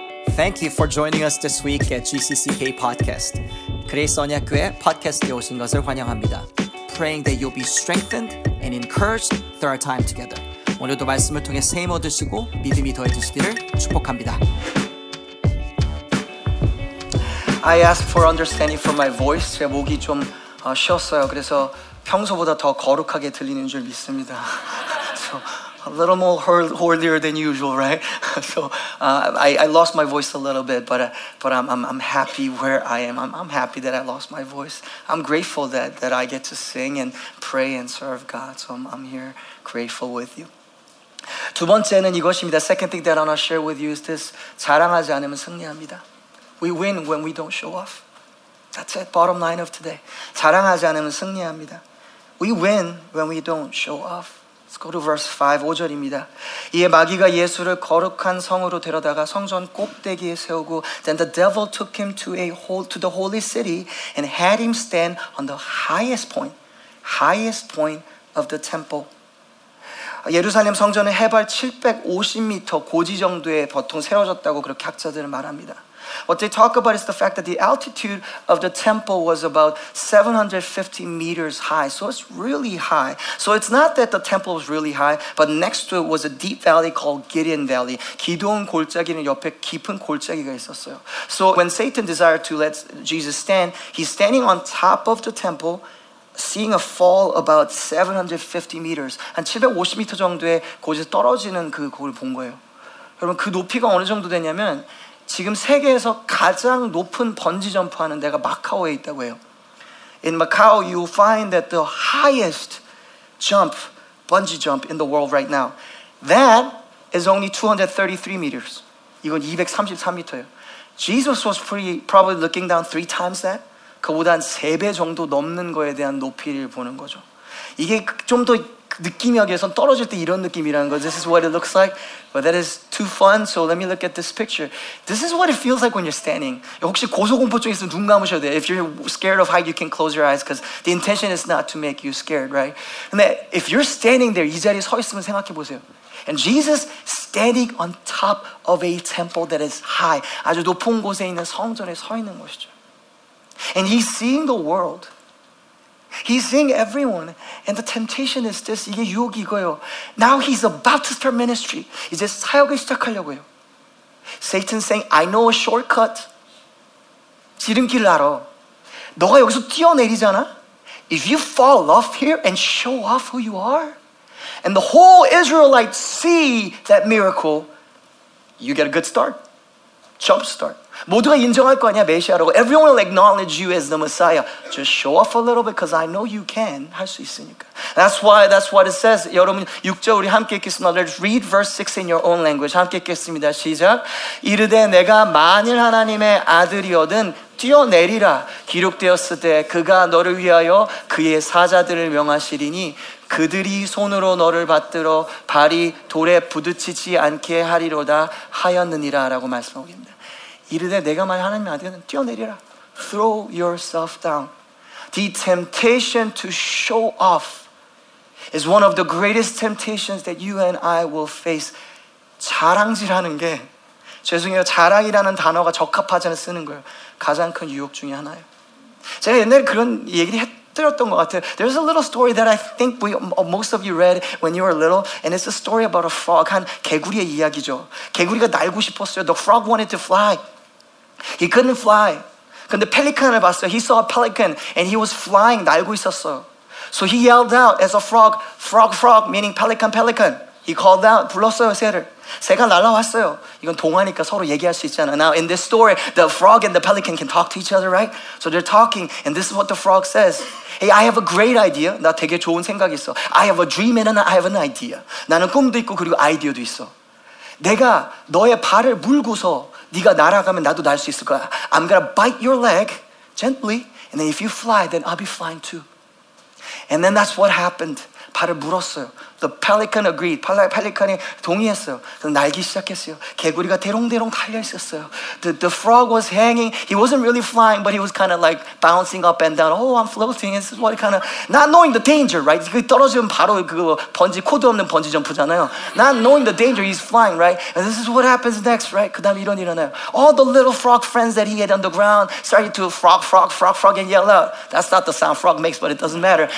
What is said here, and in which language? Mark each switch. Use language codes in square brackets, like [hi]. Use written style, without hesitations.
[en] Thank you for joining us this week at GCCK Podcast. [ko] 그레이스 언약교회 팟캐스트에 오신 것을 환영합니다. [en] Praying that you'll be strengthened and encouraged through our time together. [ko] 오늘도 말씀을 통해 세임 얻으시고 믿음이 더해지시기를 축복합니다. [en] I ask for understanding from my voice. [ko] 제 목이 좀 쉬었어요. 그래서 평소보다 더 거룩하게 들리는 줄 믿습니다. [en] So, a little more hoarier than usual, right? So I lost my voice a little bit, but I'm happy where I am. I'm happy that I lost my voice. I'm grateful that I get to sing and pray and serve God. So I'm here grateful with you. [ko] 두 번째는 이것입니다. [en] Second thing that I want to share with you is this. [ko] 자랑하지 않으면 승리합니다. [en] We win when we don't show off. That's it, bottom line of today. [ko] 자랑하지 않으면 승리합니다. [en] We win when we don't show off. Let's go to verse 5, [ko] 5절입니다. 이에 마귀가 예수를 거룩한 성으로 데려다가 성전 꼭대기에 세우고 [en] Then the devil took him to the holy city and had him stand on the highest point of the temple. [ko] 예루살렘 성전은 해발 750m 고지 정도에 보통 세워졌다고 그렇게 학자들은 말합니다. [en] What they talk about is the fact that the altitude of the temple was about 750 meters high. So it's really high. So it's not that the temple was really high, but next to it was a deep valley called Gideon Valley. [ko] 기도원 골짜기는 옆에 깊은 골짜기가 있었어요. [en] So when Satan desired to let Jesus stand, he's standing on top of the temple, seeing a fall about 750 meters. [ko] 한 750m 정도의 곳에 떨어지는 그 곳을 본 거예요. 여러분, 그 높이가 어느 정도 되냐면, 지금 세계에서 가장 높은 번지 점프하는 데가 마카오에 있다고 해요. [en] In Macau, you will find that the highest jump, bungee jump in the world right now, that is only 233 meters. [ko] 이건 233m예요. [en] Jesus was probably looking down three times that. [ko] 그보다 한 세 배 정도 넘는 거에 대한 높이를 보는 거죠. 이게 좀 더 느낌이하기 위해서 떨어질 때 이런 느낌이라는 거죠. [en] This is what it looks like. But that is too fun, so let me look at this picture. This is what it feels like when you're standing. [ko] 혹시 고소공포증 있으면 눈 감으셔도 돼요. [en] If you're scared of height, you can close your eyes because the intention is not to make you scared, right? [ko] 근데 [en] if you're standing there, [ko] 이 자리에 서 있으면 생각해 보세요. [en] And Jesus standing on top of a temple that is high. [ko] 아주 높은 곳에 있는 성전에 서 있는 것이죠. [en] And he's seeing the world. He's seeing everyone. And the temptation is this. [ko] 이게 유혹이 이거예요. [en] Now he's about to start ministry. [ko] 이제 사역을 시작하려고요. [en] Satan's saying, I know a shortcut. [ko] 지름길을 알아. 너가 여기서 뛰어내리잖아. [en] If you fall off here and show off who you are, and the whole Israelites see that miracle, you get a good start. Jump start. [ko] 모두가 인정할 거 아니야, 메시아라고. [en] Everyone will acknowledge you as the Messiah. Just show off a little bit because I know you can. [ko] 할 수 있으니까. [en] That's what it says. [ko] 여러분, 6절 우리 함께 읽겠습니다. [en] Let's read verse 6 in your own language. [ko] 함께 읽겠습니다. 시작. 이르되 내가 만일 하나님의 아들이어든 뛰어내리라. 기록되었을 때 그가 너를 위하여 그의 사자들을 명하시리니 그들이 손으로 너를 받들어 발이 돌에 부딪히지 않게 하리로다 하였느니라 라고 말씀하고 있습니다. 이르되 내가 만약 하나님의 아들이면 뛰어내리라. [en] Throw yourself down. The temptation to show off is one of the greatest temptations that you and I will face. [ko] 자랑질하는 게, 죄송해요. 자랑이라는 단어가 적합하지 않아 쓰는 거예요. 가장 큰 유혹 중에 하나예요. 제가 옛날에 그런 얘기를 해드렸던 것 같아요. [en] There's a little story that I think most of you read when you were little, and it's a story about a frog. [ko] 한 개구리의 이야기죠. 개구리가 날고 싶었어요. [en] The frog wanted to fly. He couldn't fly. [ko] 근데 펠리칸을 봤어요. [en] He saw a pelican and he was flying, [ko] 날고 있었어. [en] So he yelled out as a frog, frog, frog, meaning pelican, pelican. He called out, [ko] 불렀어요, 새를. 새가 날아왔어요. 이건 동화니까 서로 얘기할 수 있잖아. [en] Now in this story, the frog and the pelican can talk to each other, right? So they're talking and this is what the frog says. Hey, I have a great idea. [ko] 나 되게 좋은 생각 있어. [en] I have a dream and I have an idea. [ko] 나는 꿈도 있고 그리고 아이디어도 있어. 내가 너의 발을 물고서 네가 날아가면 나도 날 수 있을 거야. [en] I'm gonna bite your leg gently, and then if you fly, then I'll be flying too. And then that's what happened. [ko] 발을 물었어요. [en] The pelican agreed. [ko] 펠리컨이 동의했어요. 그래서 날기 시작했어요. 개구리가 대롱대롱 달려 있었어요. [en] The frog was hanging. He wasn't really flying, but he was kind of like bouncing up and down. Oh, I'm floating. This is what kind of not knowing the danger, right? [ko] 그 떨어지면 바로 그 번지 코드 없는 번지 점프잖아요. [en] Not knowing the danger, he's flying, right? And this is what happens next, right? [ko] 그 다음에 이런 일어나요. [en] All the little frog friends that he had on the ground started to frog and yell out. That's not the sound frog makes, but it doesn't matter.